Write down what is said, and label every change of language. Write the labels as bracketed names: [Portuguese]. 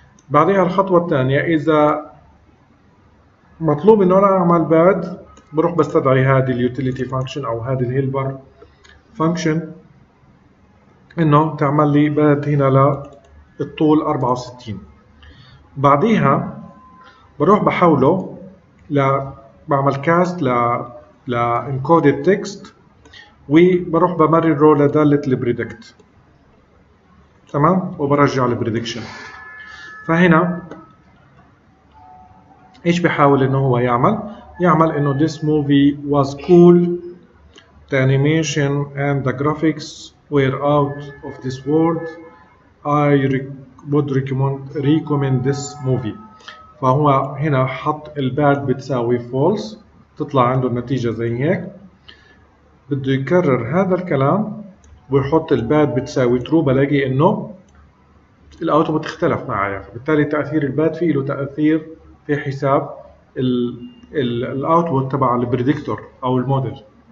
[Arabic] بعدها الخطوة الثانية اذا مطلوب انه انا اعمل باد، بروح بستدعي هذه اليوتيليتي فانكشن او هذه الهيلبر فانكشن انه تعمل لي باد هنا للطول 64. بعديها بروح بحوله بعمل كاست لانكودد تكست، وبروح بمرره لداله البريدكت. تمام، وبرجع البريدكشن. فهنا ايش بحاول انه هو يعمل؟ يعمل انه [English] this movie was cool, the animation and the graphics were out of this world, I would recommend this movie. [Arabic] فهو هنا حط الباد بتساوي false، تطلع عنده النتيجة زي هيك. بده يكرر هذا الكلام ويحط الباد بتساوي true، بلاقي انه الاوتبوت اختلف معايا، فبالتالي تأثير الباد فيه له تأثير في حساب الاوتبوت تبع البريدكتور او الموديل.